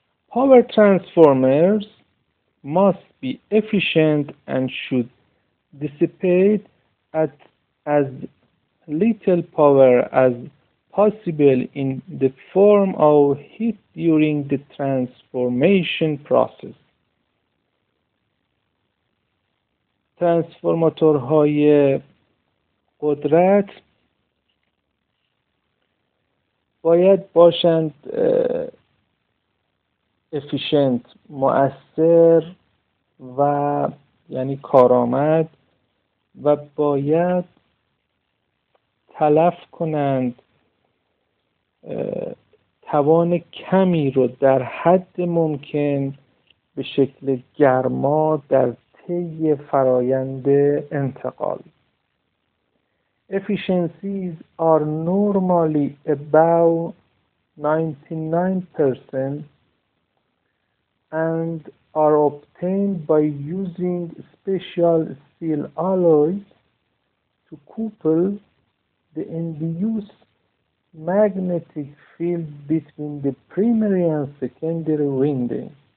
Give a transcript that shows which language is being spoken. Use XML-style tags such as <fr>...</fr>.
<en>Power transformers must be efficient and should dissipate at as little power as possible in the form of heat during the transformation process.</en> <fa>ترانسفورماتورهای قدرت باید باشند افیشنت، مؤثر و یعنی کارآمد، و باید تلف کنند توان کمی رو در حد ممکن به شکل گرما در طی فرایند انتقال.</fa> <en>Efficiencies are normally about 99% and are obtained by using special steel alloys to couple the induced magnetic field between the primary and secondary winding.</en>